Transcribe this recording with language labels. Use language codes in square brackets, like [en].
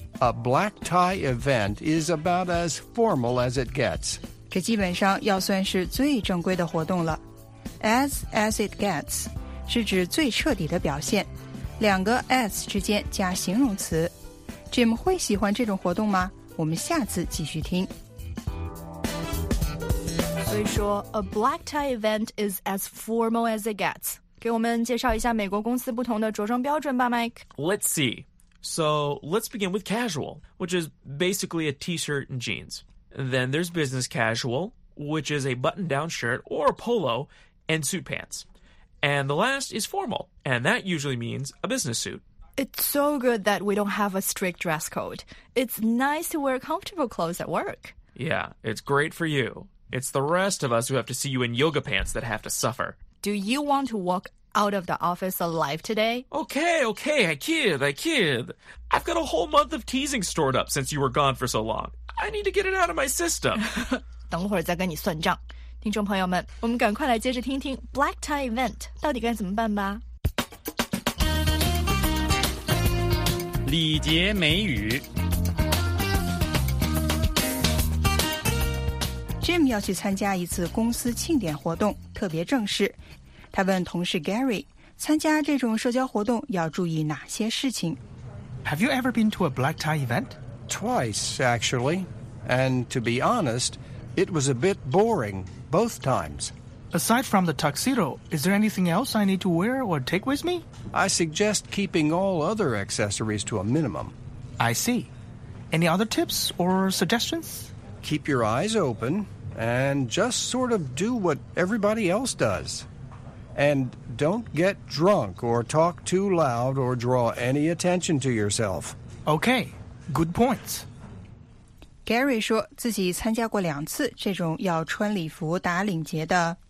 [en] A black tie event is about as formal as it gets. [zh] 这基本上要算是最正规的活动了。 [en] As it gets [zh] 是指最彻底的表现，两个 as 之间加形容词。 Jim 会喜欢这种活动吗？我们下次继续听。所以说 [en] ，a black tie event is as formal as it gets. [zh] 给我们介绍一下美国公司不同的着装标准吧 ，Mike. [en] Let's see. So let's begin with casual, which is basically a t-shirt and jeans. And then there's business casual, which is a button-down shirt or a polo and suit pants. And the last is formal, and that usually means a business suit. It's so good that we don't have a strict dress code. It's nice to wear comfortable clothes at work. Yeah, it's great for you. It's the rest of us who have to see you in yoga pants that have to suffer. Do you want to walk out of the office alive today? Okay, I kid. I've got a whole month of teasing stored up since you were gone for so long. I need to get it out of my system. [zh] 等会儿再跟你算账。听众朋友们，我们赶快来接着听听 Black Tie Event 到底该怎么办吧。礼节美语 Jim 要去参加一次公司庆典活动，特别正式。他问同事 Gary， 参加这种社交活动要注意哪些事情？ [en] Have you ever been to a black tie event? Twice, actually. And to be honest, it was a bit boring both times. Aside from the tuxedo, is there anything else I need to wear or take with me? I suggest keeping all other accessories to a minimum. I see. Any other tips or suggestions? Keep your eyes open and just sort of do what everybody else does. And don't get drunk or talk too loud or draw any attention to yourself. Okay, good points. [zh] Gary 说自己参加过两次这种要穿礼服打领结的